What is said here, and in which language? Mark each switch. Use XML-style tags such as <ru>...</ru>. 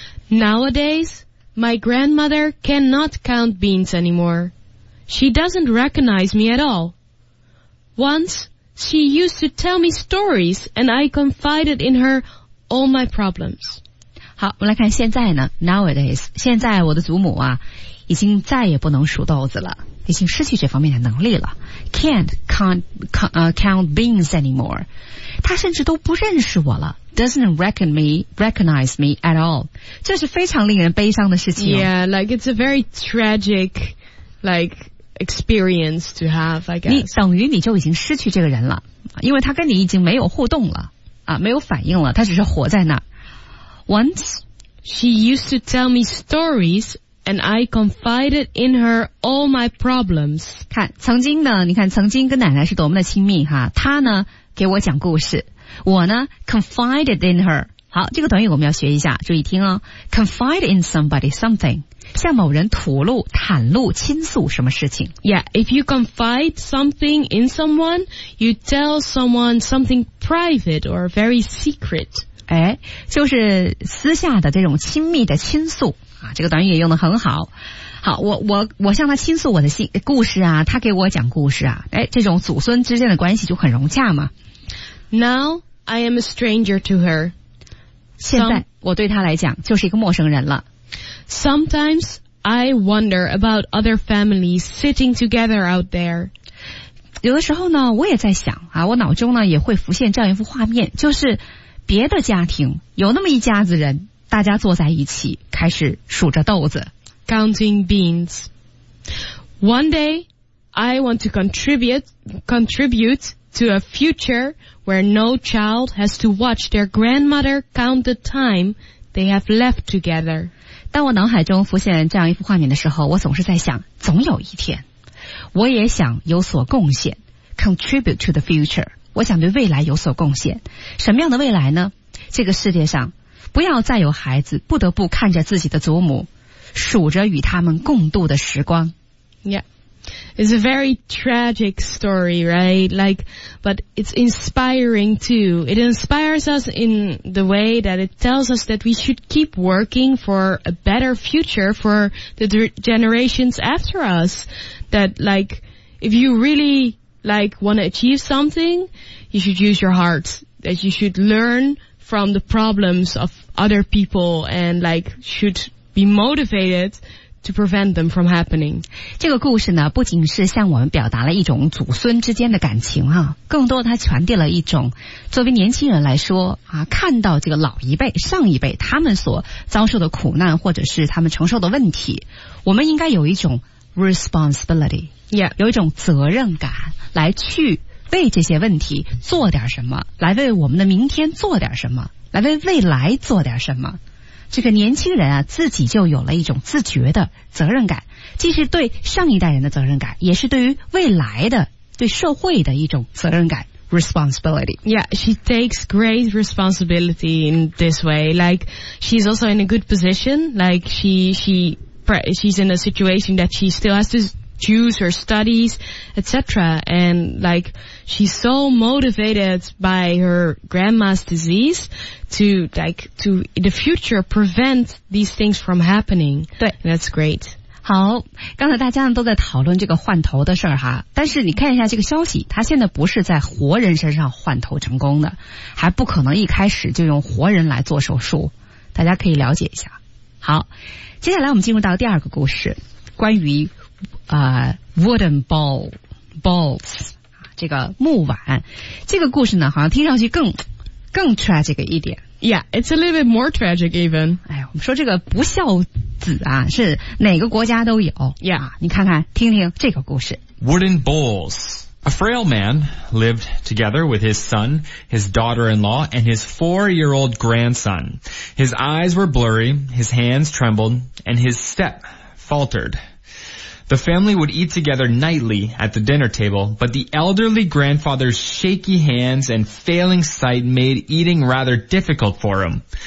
<en>NowadaysMy grandmother cannot count beans anymore. She doesn't recognize me at all. Once, she used to tell me stories and I confided in her all my problems.</en> <zh>好，我们来看现在呢， nowadays, 现在我的祖母啊，已经再也不能数豆子了，已经失去这方面的能力了。</zh> <en>Can't count beans anymore.</en> <zh>她甚至都不认识我了。</zh> <en>doesn't recognize me at all.</en> <zh>这是非常令人悲伤的事情。</zh> <en>Yeah, like it's a very tragic, like, experience to have, I guess.</en> <zh>你等于你就已经失去这个人了，因为他跟你已经没有互动了，啊，没有反应了，他只是活在那儿。</zh> <en>Once, she used to tell me stories. And I confided in her all my problems.</en> <zh>看，曾经呢，你看曾经跟奶奶是多么的亲密哈。她呢给我讲故事，我呢</zh> <en>confided in her.</en> <zh>好，这个短语我们要学一下，注意听哦。</zh> <en>Confide in somebody something，</en> <zh>向某人吐露、袒露、倾诉什么事情。</zh> <en>Yeah, if you confide something in someone, you tell someone something private or very secret.</en> <zh>哎，就是私下的这种亲密的倾诉。啊，这个短语也用得很好。好，我向他倾诉我的故事啊，他给我讲故事啊，哎，这种祖孙之间的关系就很融洽嘛。</zh> <en>Now I am a stranger to her.</en> <zh>现在我对他来讲就是一个陌生人了。</zh> <en>Sometimes I wonder about other families sitting together out there.</en> <zh>有的时候呢，我也在想啊，我脑中呢也会浮现这样一幅画面，就是别的家庭有那么一家子人。大家坐在一起开始数着豆子</zh> <en>counting beans. One day I want to contribute to a future where no child has to watch their grandmother count the time they have left together.</en> <zh>当我脑海中浮现这样一幅画面的时候，我总是在想，总有一天我也想有所贡献，</zh> <en>contribute to the future，</en> <zh>我想对未来有所贡献。什么样的未来呢？这个世界上不要再有孩子不得不看着自己的祖母数着与他们共度的时光。</zh> <en>Yeah, it's a very tragic story, right? Like, but it's inspiring too. It inspires us in the way that it tells us that we should keep working for a better future for the generations after us. That like, if you really like want to achieve something, you should use your heart. That you should learnlearn from the problems of other people and like should be motivated to prevent them from happening.</en> <zh>这个故事呢不仅是向我们表达了一种祖孙之间的感情啊，更多它传递了一种作为年轻人来说啊，看到这个老一辈上一辈他们所遭受的苦难或者是他们承受的问题，我们应该有一种 responsibility.</zh> <en>Yeah.</en> <zh>有一种责任感来去为这些问题做点什么，来为我们的明天做点什么，来为未来做点什么。这个年轻人啊，自己就有了一种自觉的责任感，既是对上一代人的责任感，也是对于未来的、对社会的一种责任感 ，responsibility.</zh> <en>Yeah, she takes great responsibility in this way. Like, she's also in a good position. Like, she's in a situation that she still has to. Choose her studies, etc. And like she's so motivated by her grandma's disease to like to in the future prevent these things from happening.</en> <zh>对</zh> <en>，That's great.</en> <zh>好，刚才大家都在讨论这个换头的事儿哈。但是你看一下这个消息，他现在不是在活人身上换头成功的，还不可能一开始就用活人来做手术。大家可以了解一下。好，接下来我们进入到第二个故事，关于。</zh> <en>Wooden balls</en> <zh>这个木碗，这个故事呢好像听上去更 tragic 一点。</zh> <en>Yeah, it's a little bit more tragic even.</en> <zh>哎呀，我们说这个不孝子啊是哪个国家都有。</zh> <en>Yeah,</en> <zh>你看看听听这个故事。</zh> <en>Wooden balls. A frail man lived together with his son, his daughter-in-law, and his four-year-old grandson. His eyes were blurry, his hands trembled, and his step faltered. The family would eat together nightly at the dinner table, but the elderly grandfather's shaky hands and failing sight made eating rather difficult for him.</en>